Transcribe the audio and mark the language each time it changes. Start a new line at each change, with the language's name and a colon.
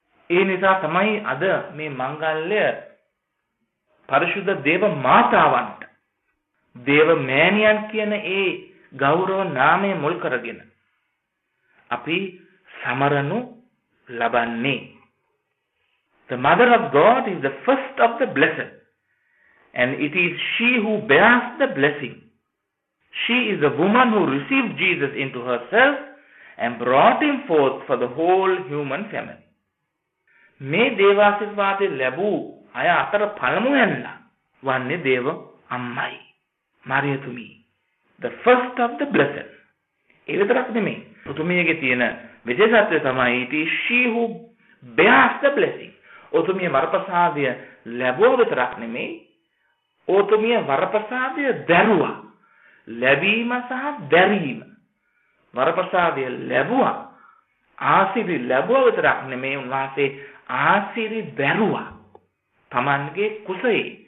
Sinhala: ඒ නිසා තමයි අද මේ මංගල්‍ය පරිශුද්ධ දේව මාතාවන්ට දේව මෑණියන් කියන ඒ ගෞරව නාමය මුල් කරගෙන අපි සමරනු ලබන්නේ.
English: The mother of God is the first of the blessed, and it is she who bears the blessing. She is the woman who received Jesus into herself and brought him forth for the whole human family.
Sinhala: මේ දේවාසිර්වාදේ ලැබූ අය අතර පළමුවෙන්ලා වන්නේ දේව අම්මයි. මරියතුමි.
English: The first of the blessed.
Sinhala: ඒ විතරක් නෙමෙයි. උතුමියගේ තියෙන විශේෂත්වය තමයි
English: it is she who bears the blessing.
Sinhala: උතුමිය වරප්‍රසාදය ලැබුවා විතරක් නෙමෙයි. උතුමිය වරප්‍රසාදය දැරුවා. ලැබීම සහ දැරීම. වරප්‍රසාදය ලැබුවා ආසිරි ලැබුවා විතරක් නෙමේ උන්වහන්සේ ආසිරි දැරුවා තමන්ගේ කුසේ